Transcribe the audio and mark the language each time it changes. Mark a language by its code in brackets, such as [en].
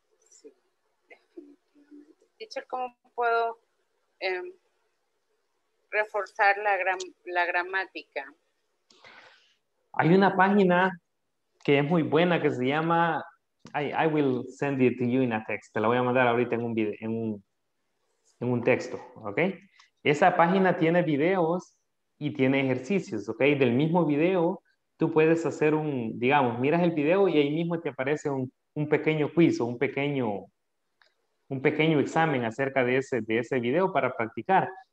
[es] Sí. Teacher, ¿cómo puedo reforzar la gramática? Hay una página que es muy buena que se llama... [en] I will send it to you in a text. [es] Te la voy a mandar ahorita en un video, en un texto, ¿ok? Esa página tiene videos y tiene ejercicios, ¿ok? Del mismo video, tú puedes hacer un, digamos, miras el video y ahí mismo te aparece un pequeño quiz o un pequeño examen acerca de ese video para practicar.